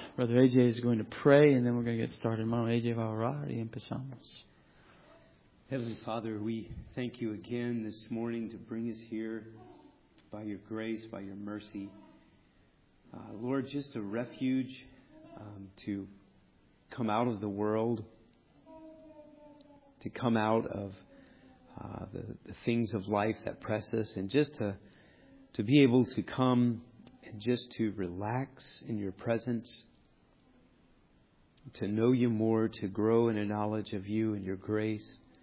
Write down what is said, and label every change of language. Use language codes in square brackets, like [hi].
[en] Brother AJ is going to pray and then we're going to get started. [es] Hermano AJ va a orar y empezamos. [en] Heavenly Father, we thank you again this morning to bring us here by your grace, by your mercy. Lord, just a refuge to come out of the world, to come out of the things of life that press us, and just to be able to come and just to relax in your presence, to know you more, to grow in a knowledge of you and your grace.